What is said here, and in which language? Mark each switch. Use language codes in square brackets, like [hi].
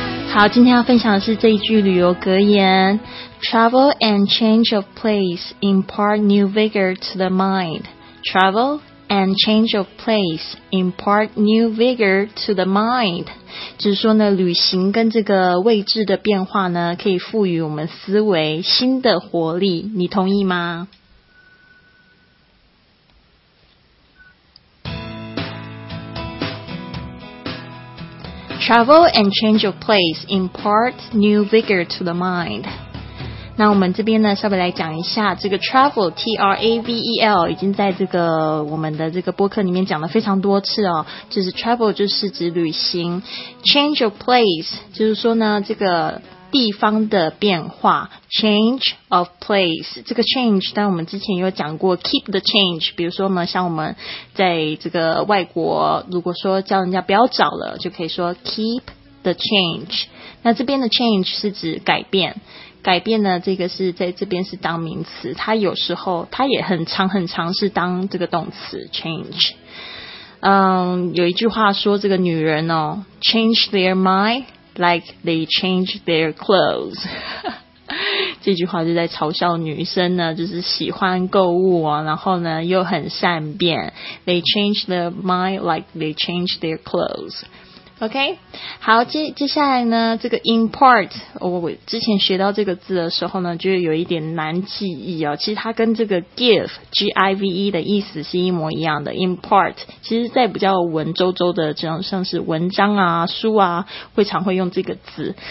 [zh] 好，今天要分享的是这一句旅游格言 [en] Travel and change of place impart new vigor to the mind. Travel and change of place impart new vigor to the mind. [zh] 就是说呢，旅行跟这个位置的变化呢，可以赋予我们思维新的活力，你同意吗？ [en] Travel and change of place impart new vigor to the mind. [zh] 那我们这边呢，稍微来讲一下这个 travel, T-R-A-V-E-L, 已经在这个我们的这个播客里面讲了非常多次哦。就是 travel 就是指旅行， change of place 就是说呢，这个地方的变化， change of place， 这个 change 但我们之前有讲过 [en] keep the change， [zh] 比如说呢，像我们在这个外国如果说叫人家不要找了，就可以说 keep the change。那这边的 change 是指改变呢，这个是在这边是当名词，它有时候它也很常是当这个动词 change。有一句话说，这个女人哦， [en] change their mindLike they change their clothes. [zh] 这句话就在嘲笑女生呢，就是喜欢购物啊，然后呢又很善变。 [en] They change their mind like they change their clothes. OK? [zh] 好，接下来呢，这个 import, 我之前学到这个字的时候呢，就有一点难记忆啊。其实它跟这个 give, G-I-V-E 的意思是一模一样的。 Import, 其实在比较文绉绉的这种像是文章啊、书啊，会常会用这个字。